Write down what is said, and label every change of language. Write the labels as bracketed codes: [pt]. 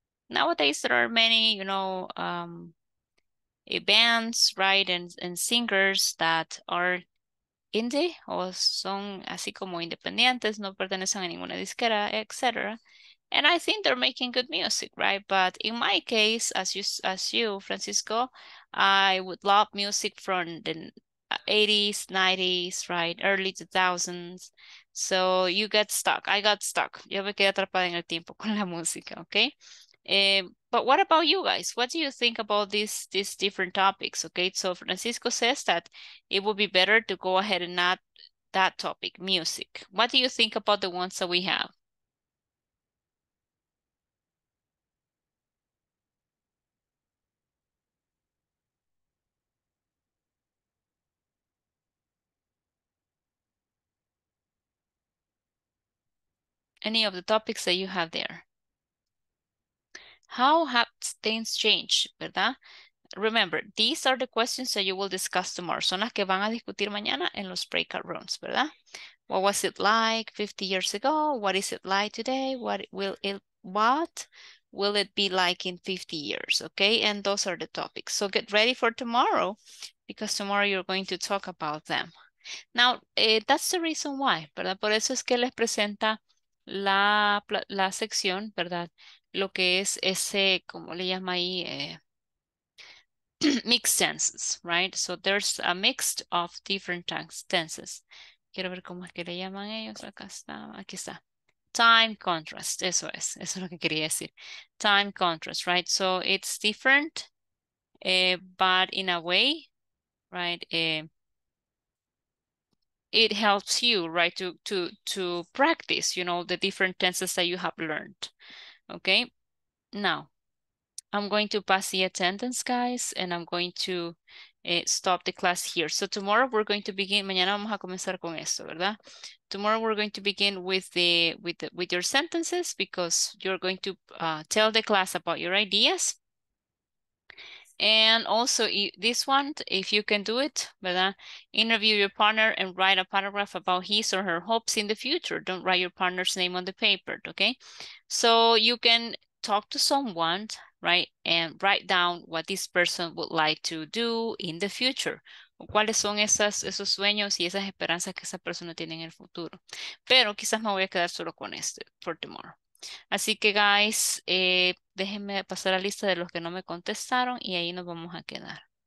[en] Nowadays, there are many, you know, bands, right, and singers that are indie [es] o son así como independientes, no pertenecen a ninguna disquera, etc. [en] And I think they're making good music, right? But in my case, as you, Francisco, I would love music from the 80s, 90s, right, early 2000s. So you get stuck. I got stuck. [es] Yo me quedé atrapada en el tiempo con la música, okay? [en] But what about you guys? What do you think about these different topics? Okay, so Francisco says that it would be better to go ahead and add that topic, music. What do you think about the ones that we have? Any of the topics that you have there? How have things changed, verdad? Remember, these are the questions that you will discuss tomorrow. [es] Son las que van a discutir mañana en los breakout rooms, verdad? [en] What was it like 50 years ago? What is it like today? What will it be like in 50 years, okay? And those are the topics. So get ready for tomorrow, because tomorrow you're going to talk about them. Now, that's the reason why, verdad? [es] Por eso es que les presenta la sección, verdad? Lo que es ese, como le llama ahí, [en] mixed tenses, right? So there's a mixed of different tenses. [es] Quiero ver cómo es que le llaman ellos. Acá está, aquí está. Time contrast, eso es lo que quería decir. [en] Time contrast, right? So it's different, but in a way, right? It helps you, right, to practice, you know, the different tenses that you have learned. Okay, now I'm going to pass the attendance, guys, and I'm going to stop the class here. So tomorrow we're going to begin. [es] Mañana vamos a comenzar con esto, ¿verdad? [en] Tomorrow we're going to begin with your sentences, because you're going to tell the class about your ideas. And also this one, if you can do it, ¿verdad? Interview your partner and write a paragraph about his or her hopes in the future. Don't write your partner's name on the paper, okay? So you can talk to someone, right? And write down what this person would like to do in the future. [es] ¿Cuáles son esos sueños y esas esperanzas que esa persona tiene en el futuro? Pero quizás me voy a quedar solo con este [en] for tomorrow. [es] Así que, guys, déjenme pasar la lista de los que no me contestaron y ahí nos vamos a quedar.